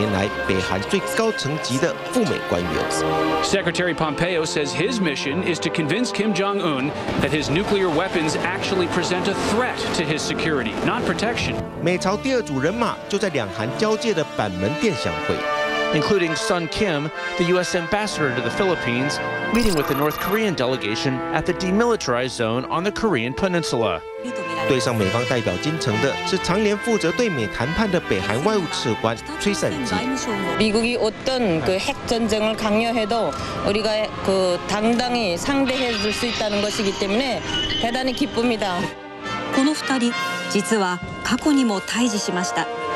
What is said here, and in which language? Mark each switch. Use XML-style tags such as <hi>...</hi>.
<zh>金英则是继2000年傅原率赵明禄访问美国与克林顿总统会面后，是8年来北韩最高层级的赴美官员。</zh> <en>Secretary Pompeo says his mission is to convince Kim Jong-un that his nuclear weapons actually present a threat to his security, not protection.</en> <zh>美朝第二组人马就在两韩交界的板门店相会。</zh> <en>Including Sun Kim, the U.S. ambassador to the Philippines, meeting with the North Korean delegation at the demilitarized zone on the Korean Peninsula.</en> <zh>对上美方代表金城的是常年负责对美谈判的北韩外务次官崔善基。</zh> <ko>미국이 어떤 그 핵 전쟁을 강요해도 우리가 그 당당히 상대해 줄 수 있다는 것이기 때문에 대단히 기쁩니다.</ko> <ja>この2人実は過去にも対峙しました。</ja>